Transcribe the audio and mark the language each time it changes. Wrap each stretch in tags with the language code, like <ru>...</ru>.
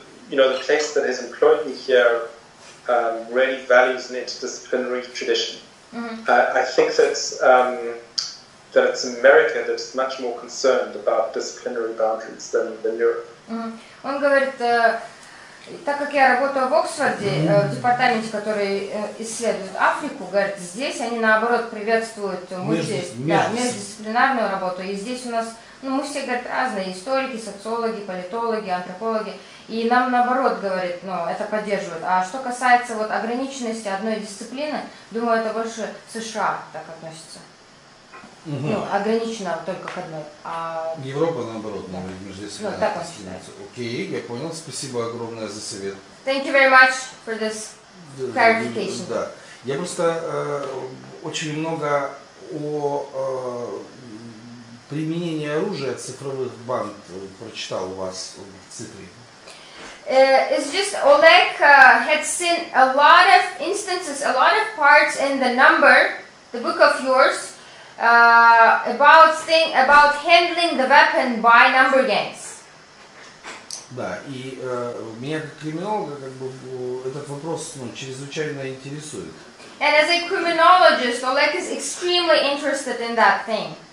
<en>you know, the place that has employed me here really values an interdisciplinary tradition. Mm-hmm. I think that it's America that's much more concerned about disciplinary boundaries than Europe. Mm-hmm.</en> <ru>Он говорит, так как я работаю в Оксфорде, в департаменте, который исследует Африку, говорит, здесь они наоборот приветствуют междисциплинарную работу. И здесь у нас, ну, мы все, говорят, разные, историки, социологи, политологи, антропологи. И нам наоборот, говорит, ну, это поддерживают. А что касается вот ограниченности одной дисциплины, думаю, это больше США так относится. Угу. Ну, ограничено только к одной. А... Европа наоборот, да. Междисциплинарная. Ну, так он считает. Окей, я понял. Спасибо огромное за совет.</ru> <en>Thank you very much for this clarification.</en> <ru>Да. Я просто очень много о применении оружия цифровых банд прочитал у вас в цифре.</ru> <en>It's just Oleg had seen a lot of instances, a lot of parts in the number, the book of yours, about handling the weapon by number games.</en> <ru>Да, и меня как криминолога как бы этот вопрос, ну, чрезвычайно интересует.</ru> <en>And as a criminologist, Oleg is extremely interested in that thing.</en>